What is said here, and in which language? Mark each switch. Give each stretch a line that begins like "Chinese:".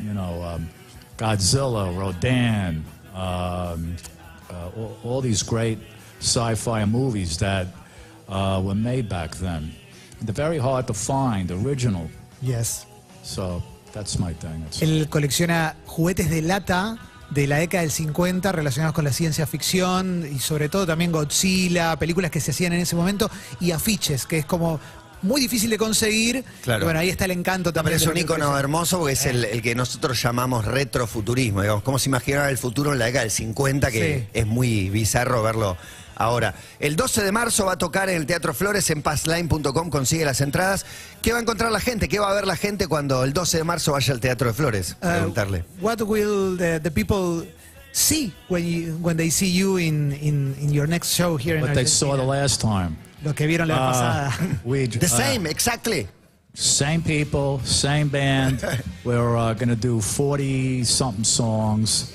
English: You know, Godzilla, Rodan, all these great sci-fi movies that were made back then. They're very hard to find, original. Yes. So that's my thing.
Spanish: Él colecciona juguetes de lata de la década del 50 relacionados con la ciencia ficción y sobre todo también Godzilla, películas que se hacían en ese momento y afiches, que es como... Muy difícil de conseguir. Claro. Bueno, ahí está el encanto también. Pero es un ícono hermoso porque es el que nosotros llamamos retrofuturismo. Digamos, ¿cómo se imaginaba el futuro en la década del 50? Que sí. Es muy bizarro verlo ahora. El 12 de marzo va a tocar en el Teatro Flores en Passline.com. Consigue las entradas. ¿Qué va a encontrar la gente? ¿Qué va a ver la gente cuando el 12 de marzo vaya al Teatro de Flores? Preguntarle.
English: What will the people see when they see you in your next show here in Argentina? What they saw the last time.
Spanish: Lo que vieron la pasada.
English: The same, exactly. Same people, same band. We're going to do 40-something songs.